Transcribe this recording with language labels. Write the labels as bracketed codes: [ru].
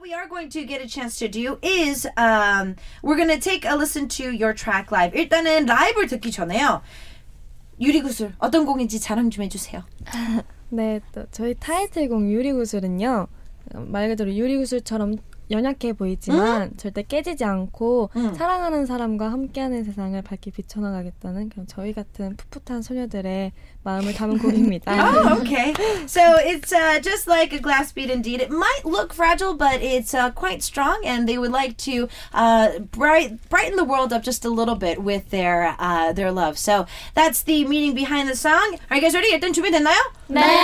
[en] Going to get a chance to do is we're gonna take a listen to your track live. [ko] 일단은 라이브를 듣기 전에요. 유리구슬 어떤 곡인지 자랑 좀 해주세요. 네, 또 저희 타이틀곡 유리구슬은요 말 그대로 유리구슬처럼 연약해 보이지만 음? 절대 깨지지 않고 사랑하는 사람과 함께하는 세상을 밝게 비춰나가겠다는 그런 저희 같은 풋풋한 소녀들의 마음을 담은 곡입니다. [en] Oh, okay. So it's just like a glass bead indeed. It might look fragile, but it's quite strong, and they would like to brighten the world up just a little bit with their love. So that's the meaning behind the song. Are you guys ready? [ko] 일단 준비됐나요? 네.